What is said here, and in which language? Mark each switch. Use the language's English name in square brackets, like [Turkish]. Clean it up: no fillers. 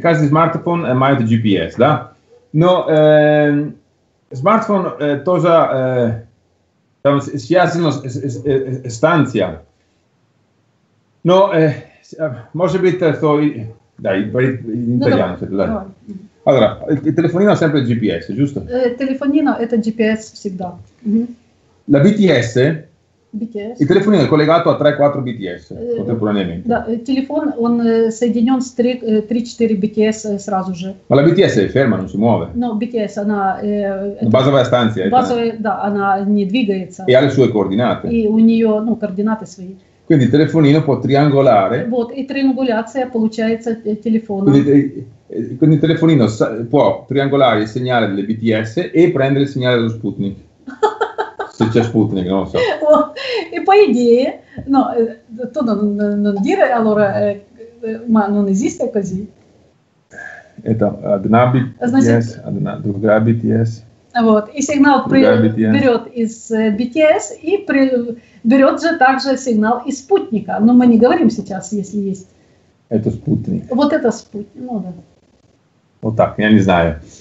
[Russian] Каждый смартфон имеет GPS, да? Но смартфон тоже там связано с станция. Но может быть, что... Да, в итальянце, да. [Italian] Allora, telefonino è sempre GPS, giusto? Telefonino è GPS, [Russian] всегда. [Italian] Mm-hmm. La BTS? BTS. Il telefonino è collegato a 3-4 BTS contemporaneamente. [Russian] Да, телефон он соединён с 3-4 BTS сразу же. [Italian] Ma la BTS è ferma, non si muove. No, [Russian] BTS она базовая станция. Базовая, да, она не двигается. [Italian] E ha le sue coordinate. [Russian] И у неё, ну, координаты свои. [Italian] Quindi il telefonino può triangolare. [Russian] Вот, и триангуляция получается телефона. [Italian] Quindi il telefonino può triangolare il segnale delle BTS e prendere il segnale dello Sputnik. Se c'è Sputnik, non lo so. E poi idee, no, tu non dire allora, ma non esiste così. E da una BTS, una BTS. [Russian] Вот. И сигнал берет из BTS и берет же также сигнал из спутника. Но мы не говорим сейчас, если есть. Это спутник. Вот это спутник, ну да. Вот так, я не знаю.